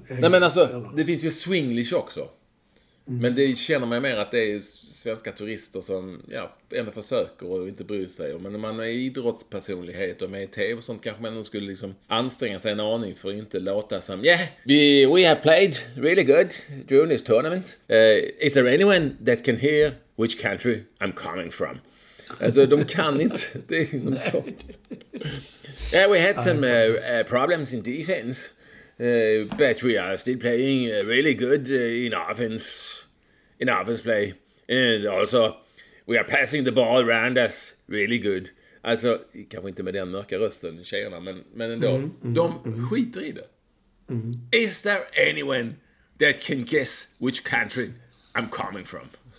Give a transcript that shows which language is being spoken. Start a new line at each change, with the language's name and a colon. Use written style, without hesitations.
Swedish: nej men alltså, det finns ju swinglish också. Mm. Men det känner man ju mer att det är svenska turister som ja, ändå försöker och inte bryr sig. Men när man är idrottspersonlighet och med i TV och sånt kanske man skulle liksom anstränga sig en aning för att inte låta som
English: we have played really good during this tournament. Is there anyone that can hear which country I'm coming from?
Swedish: Alltså, de kan inte. Det är liksom så.
English: Yeah, we had some problems in defense. But we are still playing really good in offense play. And also, we are passing the ball around us really good.
Swedish: Alltså, kanske inte med den mörka rösten, tjejerna, men ändå. Mm, de skiter i det. Mm.
English: Is there anyone that can guess which country I'm coming from?